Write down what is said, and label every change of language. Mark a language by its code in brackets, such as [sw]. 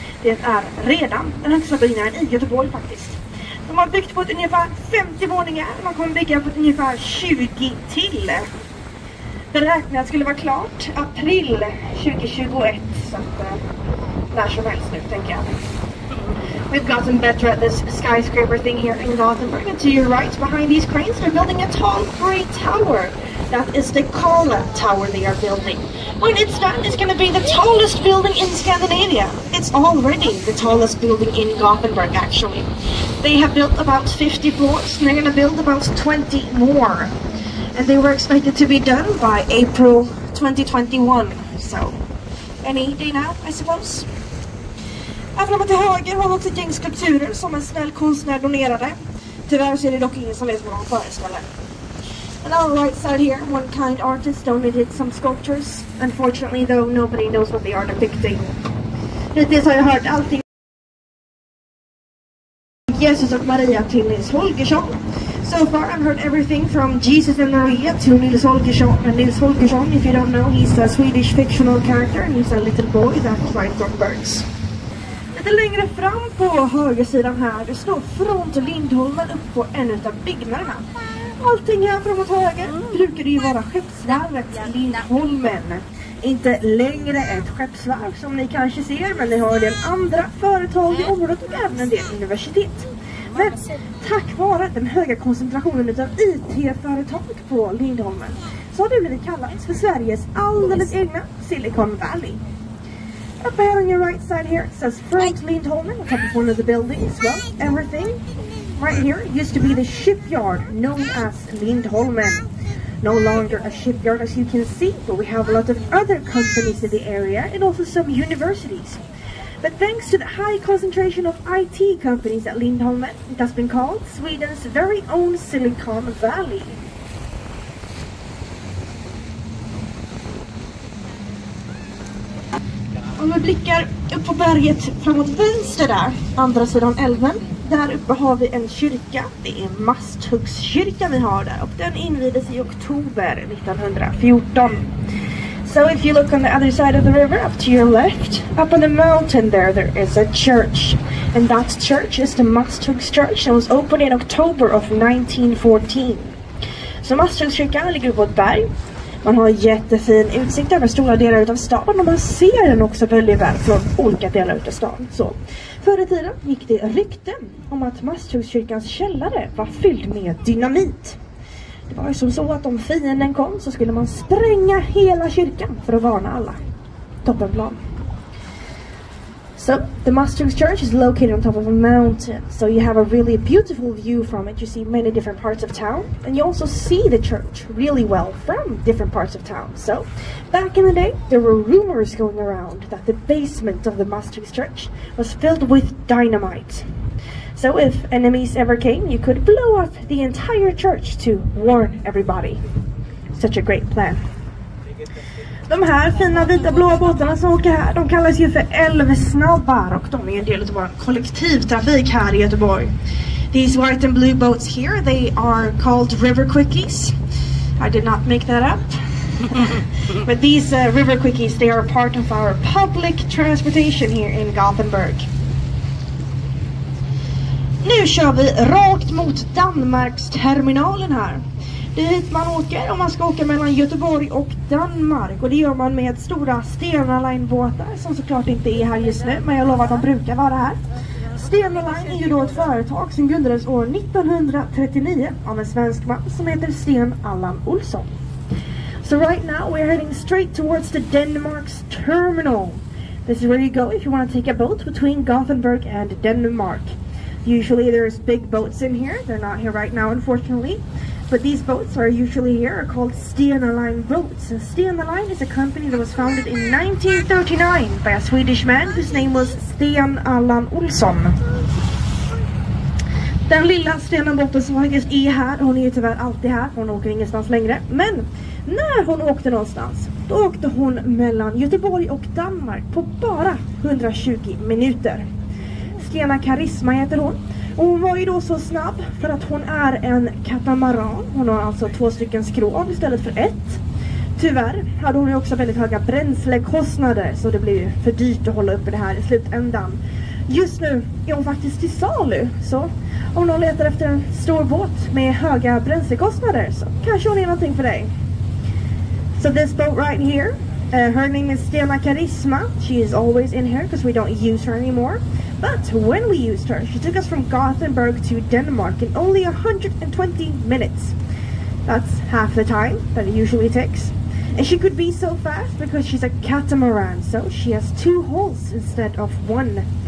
[sv] Det är redan den högsta byggnaden i Göteborg faktiskt. De har byggt på ett ungefär 50 våningar. Man kommer bygga på ett ungefär 20 till. Beräknat skulle vara klart april 2021. Så att när som helst nu tänker jag. [en] We've gotten better at this skyscraper thing here in Gothenburg. And to your right, behind these cranes, they're building a tall grey tower. That is the Kala Tower they are building. When it's done, it's going to be the tallest building in Scandinavia. It's already the tallest building in Gothenburg, actually. They have built about 50 floors, and they're going to build about 20 more. And they were expected to be done by April 2021. So, any day now, I suppose. [sv] Även om till höger har vi också ett gäng skulpturer som en snäll konstnär donerade. Tyvärr så är det dock ingen som vet vad de föreställer. [en] And on the right side here, one kind artist donated some sculptures. Unfortunately though, nobody knows what they are depicting. [sv] Hittills har jag hört allting. Jesus och Maria till Nils Holgersson. [en] So far I've heard everything from Jesus and Maria to Nils Holgersson. And Nils Holgersson, if you don't know, he's a Swedish fictional character. And he's a little boy that writes on birds. [sv] Lite längre fram på högersidan här, det står front Lindholmen upp på en av byggnaderna. Allting här framåt höger brukar ju vara skeppsvarvet Lindholmen. Inte längre ett skeppsvarv som ni kanske ser, men ni har ju en andra företag i området och även en del universitet. Men tack vare den höga koncentrationen av IT-företag på Lindholmen så har det blivit kallat för Sveriges alldeles egna Silicon Valley. [en] Up ahead on your right side here, it says Front Lindholmen, on top of one of the buildings, well, everything right here used to be the shipyard known as Lindholmen. No longer a shipyard as you can see, but we have a lot of other companies in the area and also some universities. But thanks to the high concentration of IT companies at Lindholmen, it has been called Sweden's very own Silicon Valley. [sv] Om vi blickar upp på berget framåt vänster där, andra sidan älven, där uppe har vi en kyrka. Det är Masthuggskyrkan vi har där och den invigdes i oktober 1914. [en] So if you look on the other side of the river, up to your left, up on the mountain there, there is a church. And that church is the Masthuggs church and was opened in October of 1914. [sv] Så Masthuggskyrkan ligger på ett berg. Man har jättefin utsikt över stora delar av staden och man ser den också väldigt väl från olika delar av staden. Så, förr i tiden gick det rykten om att Masthuggskyrkans källare var fylld med dynamit. Det var ju som så att om fienden kom så skulle man spränga hela kyrkan för att varna alla. Toppenplan. [en] So, the Masthuggs church is located on top of a mountain, so you have a really beautiful view from it. You see many different parts of town, and you also see the church really well from different parts of town. So, back in the day, there were rumors going around that the basement of the Masthuggs church was filled with dynamite. So, if enemies ever came, you could blow up the entire church to warn everybody. Such a great plan. [sv] De här fina vita blåa båtarna som åker här, de kallas ju för älvsnabbar och de är en del av vår kollektivtrafik här i Göteborg. [en] These white and blue boats here, they are called river quickies. I did not make that up. But these river quickies, they are part of our public transportation here in Gothenburg. [sv] Nu kör vi rakt mot Danmarks terminalen här. Det är hit man åker om man ska åka mellan Göteborg och Danmark. Och det gör man med stora Stena Line-båtar som såklart inte är här just nu. Men jag lovar att de brukar vara här. Stena Line är ju då ett företag som grundades år 1939 av en svensk man som heter Sten Allan Olsson. [en] So right now we're heading straight towards the Denmark's terminal. This is where you go if you want to take a boat between Gothenburg and Denmark. Usually there's big boats in here. They're not here right now, unfortunately. But these boats are usually here are called Stena Line boats. And Stena Line is a company that was founded in 1939 by a Swedish man whose name was Sten Allan Olsson. [sv] Den lilla Stena båten som faktiskt är här, hon är ju tyvärr alltid här. Hon åker ingenstans längre. Men när hon åkte någonstans, då åkte hon mellan Göteborg och Danmark på bara 120 minuter. Stena Karisma heter hon. Och hon var ju då så snabb för att hon är en katamaran. Hon har alltså två stycken skrov istället för ett. Tyvärr hade hon ju också väldigt höga bränslekostnader, så det blir ju för dyrt att hålla uppe det här i slutändan. Just nu är hon faktiskt till salu, så om någon letar efter en stor båt med höga bränslekostnader så kanske hon är någonting för dig. [en] So this boat right here, her name is Stena Karisma. She is always in here because we don't use her anymore. But when we used her, she took us from Gothenburg to Denmark in only 120 minutes. That's half the time that it usually takes. And she could be so fast because she's a catamaran, so she has two hulls instead of one.